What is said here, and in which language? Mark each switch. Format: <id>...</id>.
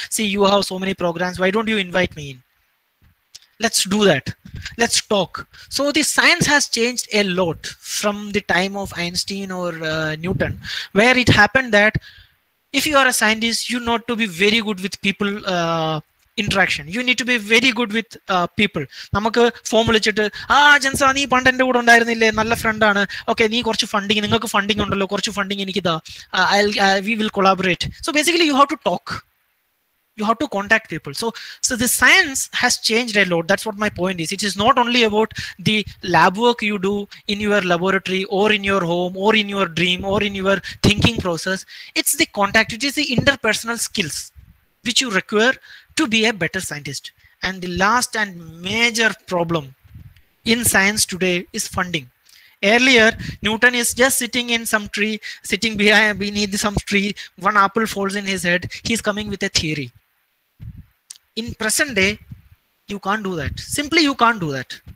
<en>See, you have so many programs. Why don't you invite me in? Let's do that. Let's talk. So the science has changed a lot from the time of Einstein or Newton, where it happened that if you are a scientist, you need to be very good with people interaction. You need to be very good with people.</en> <ml>നമുക്ക് formula വെച്ചിട്ട് ആ ജൻസ നീ പണ്ട് എൻ്റെ കൂടെ ഉണ്ടായിരുന്നില്ലേ, നല്ല ഫ്രണ്ടാണ്, ഓക്കെ നീ കുറച്ച് ഫണ്ടിങ്, നിങ്ങൾക്ക് ഫണ്ടിങ് ഉണ്ടല്ലോ, കുറച്ച് ഫണ്ടിങ് എനിക്ക് will collaborate.</ml> <en>So basically you have to talk, you have to contact people. So the science has change a lot. That's what my point is. It is not only about the lab work you do in your laboratory or in your home or in your dream or in your thinking process. It's the contact, it is the interpersonal skills which you require to be a better scientist. And the last and major problem in science today is funding. Earlier, Newton is just sitting in some tree, sitting beneath some tree, one apple falls in his head, he's coming with a theory. In present day, you can't do that. Simply, you can't do that.</en>